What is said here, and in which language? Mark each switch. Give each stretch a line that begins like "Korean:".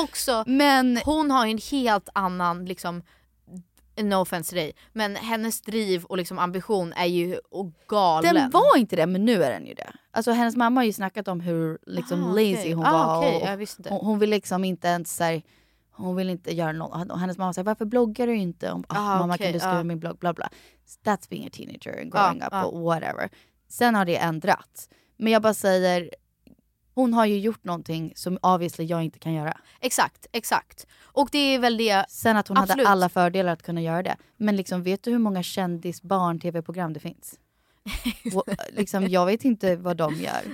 Swedish: Är också, men hon har ju en helt annan liksom,
English: no offense
Swedish: till dig, men hennes driv och liksom ambition är ju galen. Den var inte det, men nu är den ju det. Alltså hennes mamma har ju snackat om hur liksom
English: lazy
Swedish: hon var. Okej, jag visste det. Hon vill liksom inte ens så här, hon vill inte göra något. Och hennes mamma säger, varför bloggar du inte? Om, mamma kan du skriva min blogg, bla bla.
English: That's being a teenager and growing up or whatever.
Swedish: Sen har det ändrats. Men jag bara säger, hon har ju gjort någonting som
English: obviously
Swedish: jag inte kan göra. Exakt, exakt. Och det är väl det. Sen att hon hade alla fördelar att kunna göra det. Men liksom, vet du hur många kändis barn tv-program det finns? Liksom, jag vet inte vad de gör.